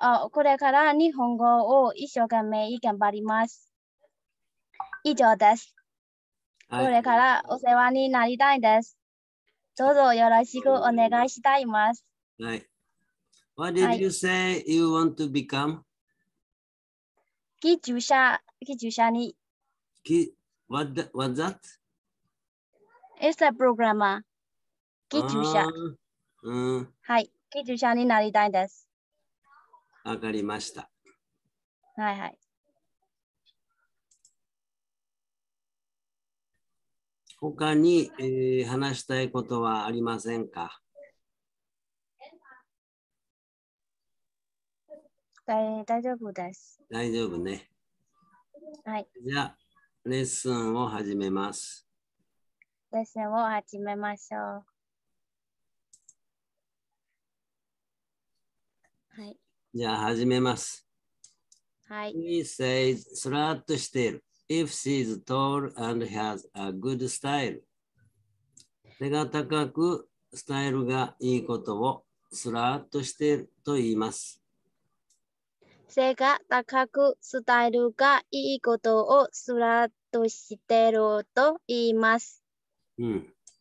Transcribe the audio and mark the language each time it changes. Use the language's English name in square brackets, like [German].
[Japanese] これから日本語を一生懸命頑張ります。以上です。これからお世話になりたいです。どうぞよろしくお願いしたいます。はい。 [English] What did you say you want to become? [Japanese] 技術者に。 [English] What's that? It's a programmer. [Japanese] 技術者。はい。技術者になりたいです。わかりました。はいはい。他に、話したいことはありませんか？大丈夫です。大丈夫ね。はい。じゃレッスンを始めます。レッスンを始めましょう。はい。じゃあ始めます。はい。 [English] She says, [Japanese] スラッとしている。 [English] If she is tall and has a good style. [Japanese] 背が高く、スタイルがいいことをスラッとしていると言います。背が高く、スタイルがいいことをスラッとしてると言います。うん。